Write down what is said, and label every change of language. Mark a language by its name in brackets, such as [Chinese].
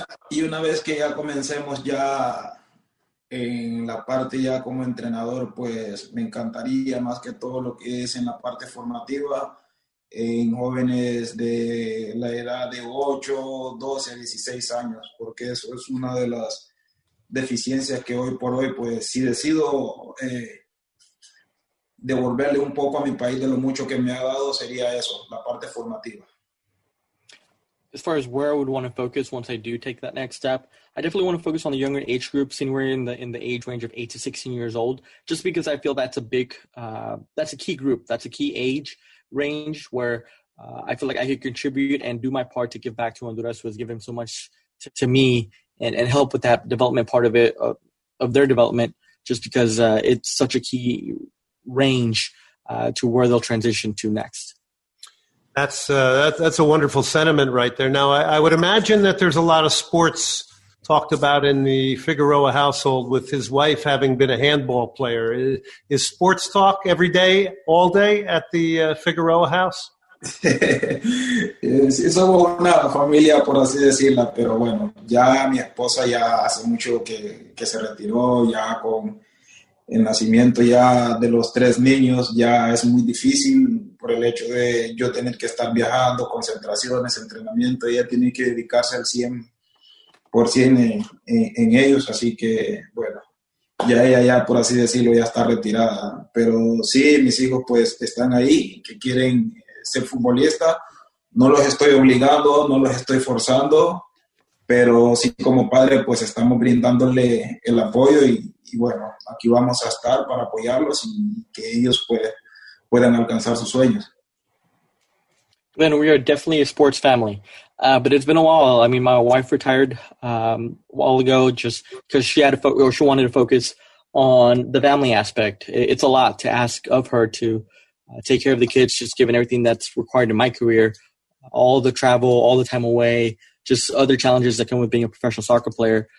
[Spanish] Y una vez que ya comencemos ya en la parte ya como entrenador, pues me encantaría más que todo lo que es en la parte formativa en jóvenes de la edad de 8, 12, 16 años, porque eso es una de las deficiencias que hoy por hoy, pues si decido devolverle un poco a mi país de lo mucho que me ha dado, sería eso, la parte formativa. [English] As far as where I would want to focus once I do take that next step, I definitely want to focus on the younger age groups, anywhere in the age range of 8 to 16 years old, just because I feel that's a big, that's a key group. That's a key age range where I feel like I could contribute and do my part to give back to Honduras, who has given so much to me and help with that development part of it, of their development, just because it's such a key range to where they'll transition to next. That's a wonderful sentiment right there. Now, I would imagine that there's a lot of sports talked about in the Figueroa household, with his wife having been a handball player. Is sports talk every day, all day, at the Figueroa house? [Spanish] Somos una familia, por así decirla, pero bueno, ya mi esposa ya hace mucho que se retiró, ya con el nacimiento ya de los tres niños, ya es muy difícil por el hecho de yo tener que estar viajando, concentraciones, entrenamiento. Ella tiene que dedicarse al 100% en ellos, así que bueno, ya ella ya, por así decirlo, ya está retirada. Pero sí, mis hijos pues están ahí, que quieren ser futbolistas. No los estoy obligando, no los estoy forzando, pero sí, como padre, pues estamos brindándole el apoyo y bueno, aquí vamos a estar para apoyarlos y que ellos puedan alcanzar sus sueños. [English] Then we are definitely a sports family, but it's been a while. I mean, my wife retired a while ago just because she had to she wanted to focus on the family aspect. It's a lot to ask of her to take care of the kids, just given everything that's required in my career, all the travel, all the time away, just other challenges that come with being a professional soccer player.